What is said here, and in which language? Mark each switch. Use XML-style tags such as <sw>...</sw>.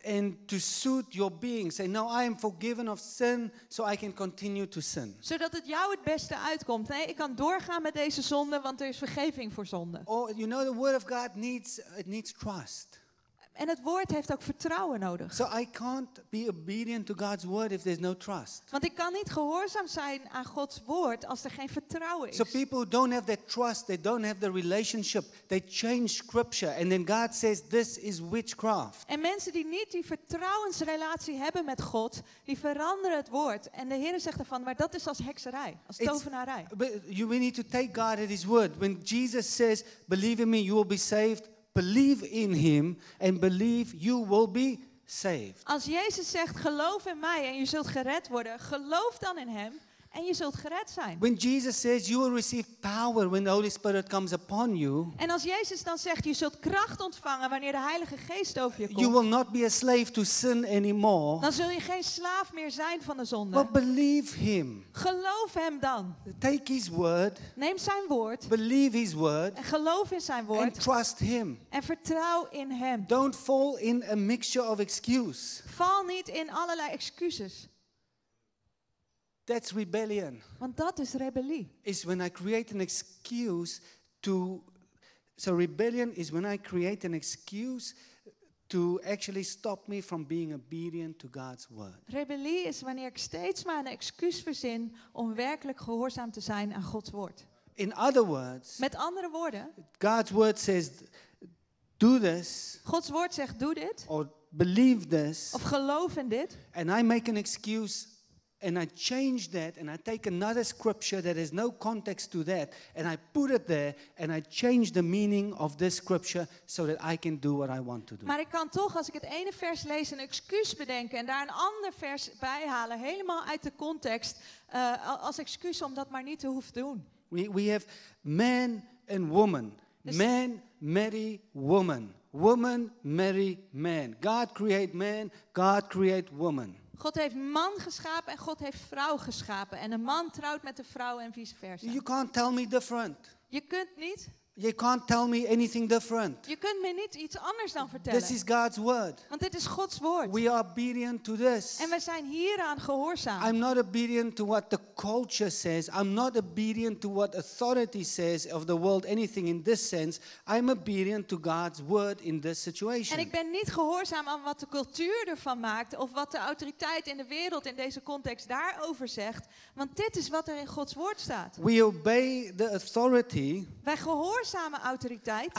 <en>And to suit your being, say, no, I am forgiven of sin, so I can continue to sin.</en> <nl>Zodat het jou het beste uitkomt. Nee, ik kan doorgaan met deze zonde, want er is vergeving voor zonde.</nl> <en>Or, you know, the word of God needs trust.</en> <nl>En het woord heeft ook vertrouwen nodig.</nl> <en>So I can't be obedient to God's word if there's no trust.</en> <nl>Want ik kan niet gehoorzaam zijn aan Gods woord als er geen vertrouwen is.</nl> <en>So people don't have that trust, they don't have the relationship, they change scripture and then God says this is witchcraft.</en> <nl>En mensen die niet die vertrouwensrelatie hebben met God, die veranderen het woord en de Heer zegt ervan, maar dat is als hekserij, als tovenarij.</nl> <en>But you need to take God at His word. When Jesus says, believe in me, you will be saved. Believe in Him and believe you will be saved.</en> <nl>Als Jezus zegt, geloof in mij en je zult gered worden, geloof dan in Hem en je zult gered zijn.</nl> <en>When Jesus says you will receive power when the Holy Spirit comes upon you.</en> <nl>En als Jezus dan zegt, je zult kracht ontvangen wanneer de Heilige Geest over je komt.</nl> <en>You will not be a slave to sin anymore.</en> <nl>Dan zul je geen slaaf meer zijn van de zonde.</nl> <en>But believe Him.</en> <nl>Geloof Hem dan.</nl> <en>Take His word.</en> <nl>Neem zijn woord.</nl> <en>Believe His word.</en> <nl>En geloof in zijn woord.</nl> <en>And trust Him.</en> <nl>En vertrouw in Hem.</nl> <en>Don't fall in a mixture of excuses.</en> <nl>Val niet in allerlei excuses.</nl> <en>That's rebellion.</en> <nl>Want dat is rebellie.</nl> <en>Is when I create an excuse to. So rebellion is when I create an excuse to actually stop me from being obedient to God's word.</en> <nl>Rebellie is wanneer ik steeds maar een excuus verzin om werkelijk gehoorzaam te zijn aan Gods woord.</nl> <en>In other words.</en> <nl>Met andere woorden.</nl> <en>God's word says, do this.</en> <nl>Gods woord zegt, doe dit.</nl> <en>Or believe this.</en> <nl>Of geloof in dit.</nl> <en>And I make an excuse. And I change that and I take another scripture that has no context to that and I put it there and I change the meaning of this scripture so that I can do what I want to do.</en> <nl>Maar ik kan toch, als ik het ene vers lees, een excuus bedenken en daar een ander vers bij halen, helemaal uit de context, als excuus om dat maar niet te hoeven doen.</nl> <en>We have man and woman. Dus man marry woman. Woman marry man. God create man, God create woman.</en> <nl>God heeft man geschapen en God heeft vrouw geschapen. En een man trouwt met de vrouw en vice versa.</nl> <en>You can't tell me different.</en> <nl>Je kunt niet.</nl> <en>You can't tell me anything different.</en> <nl>Je kunt me niet iets anders dan vertellen.</nl> <en>This is God's word.</en> <nl>Want dit is Gods woord.</nl> <en>We are obedient to this.</en> <nl>En we zijn hieraan gehoorzaam.</nl> <en>I'm not obedient to what the culture says. I'm not obedient to what authority says of the world, anything in this sense. I'm obedient to God's word in this situation.</en> <nl>En ik ben niet gehoorzaam aan wat de cultuur ervan maakt of wat de autoriteit in de wereld in deze context daarover zegt, want dit is wat er in Gods woord staat.</nl> <en>We obey the authority.</en> <nl>Wij gehoorzame autoriteit.</nl>